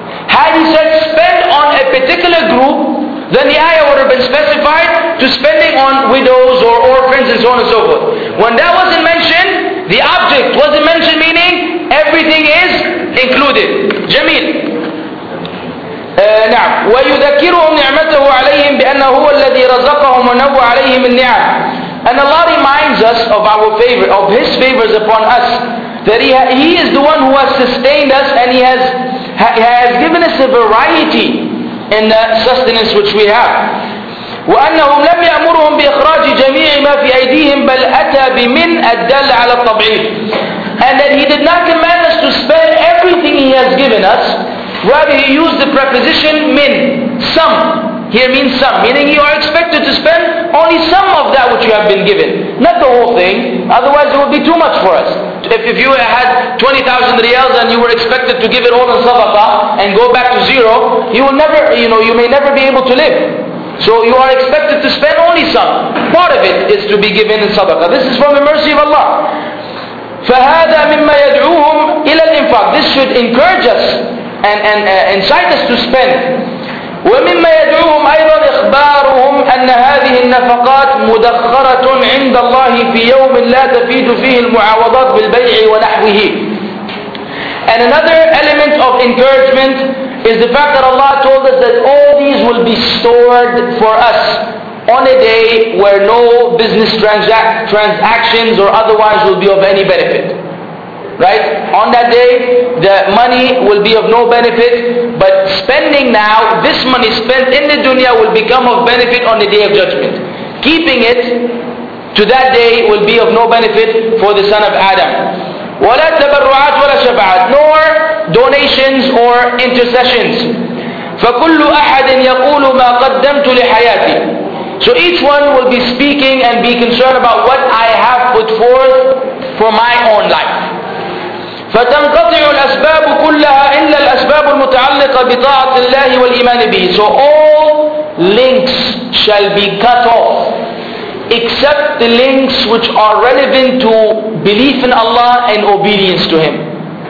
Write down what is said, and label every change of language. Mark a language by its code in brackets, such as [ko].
[en] Had He said spend on a particular group, then the ayah would have been specified to spending on widows or orphans and so on and so forth. When that wasn't mentioned, the object wasn't mentioned, meaning everything is included. Jameel. [ar] نعم ويذكرهم نعمته عليهم بأنه هو الذي رزقهم ونوع عليهم النعم. [en] And Allah reminds us of our favor, of His favors upon us, that He is the one who has sustained us, and He has given us a variety in the sustenance which we have. [ar] وأنهم لم يأمرهم بإخراج جميع ما في أيديهم بل أتى بمن الدل على التضعيف. [en] And that He did not command us to spend everything He has given us. Rather, He used the preposition min, some. Here means some, meaning you are expected to spend only some of that which you have been given, not the whole thing. Otherwise, it would be too much for us. If you had 20,000 riyals and you were expected to give it all in sadaqah and go back to zero, you will never, you know, you may never be able to live. So you are expected to spend only some. Part of it is to be given in sadaqah. This is from the mercy of Allah. [ar] فهذا مما يدعوهم إلى الإنفاق. [en] This should encourage us and incite us to spend. [ar] ومما يدعوهم أيضا إخبارهم أن هذه النفقات مدخرة عند الله في يوم لا تفيد فيه المعاوضات بالبيع ونحوه. [en] And another element of encouragement is the fact that Allah told us that all these will be stored for us on a day where no business transactions or otherwise will be of any benefit. Right? On that day, the money will be of no benefit, but spending now, this money spent in the dunya will become of benefit on the day of judgment. Keeping it to that day will be of no benefit for the son of Adam. [ar] وَلَا تَبَرُّعَاتْ وَلَا شَفَعَاتْ. [en] Nor donations or intercessions. [ar] فَكُلُّ أَحَدٍ يَقُولُ مَا قَدَّمْتُ لِحَيَاتِي. [en] So each one will be speaking and be concerned about what I have put forth for my own life. [ar] فتنقطع الأسباب كلها إلا الأسباب المتعلقة بطاعة الله والإيمان به. [en] So all links shall be cut off except the links which are relevant to belief in Allah and obedience to Him.